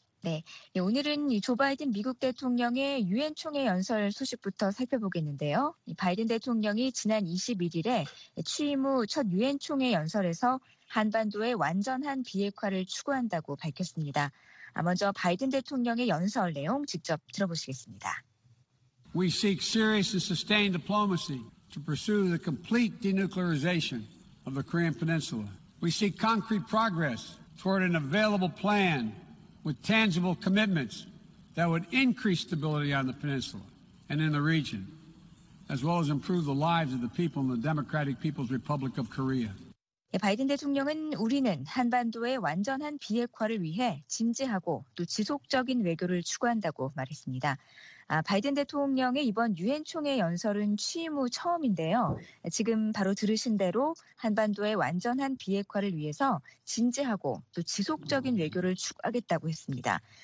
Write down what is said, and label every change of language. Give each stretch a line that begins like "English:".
Korean: 네, 예, 오늘은 조 바이든 미국 대통령의 유엔 총회 연설 소식부터 살펴보겠는데요. 바이든 대통령이 지난 21일에 취임 후 첫 유엔 총회 연설에서 한반도의 완전한 비핵화를 추구한다고 밝혔습니다. 먼저 바이든 대통령의 연설 내용 직접 들어보시겠습니다.
English: We seek serious and sustained diplomacy to pursue the complete denuclearization of the Korean Peninsula. We seek concrete progress toward an available plan with tangible commitments that would increase stability on the peninsula and in the region, as well as improve the lives of the people in the Democratic People's Republic of Korea.
Korean: 바이든 대통령은 우리는 한반도의 완전한 비핵화를 위해 진지하고 또 지속적인 외교를 추구한다고 말했습니다. 바이든 대통령의 이번 유엔 총회 연설은 취임 후 처음인데요. 지금 바로 들으신 대로 한반도의 완전한 비핵화를 위해서 진지하고 또 지속적인 외교를 추구하겠다고 했습니다.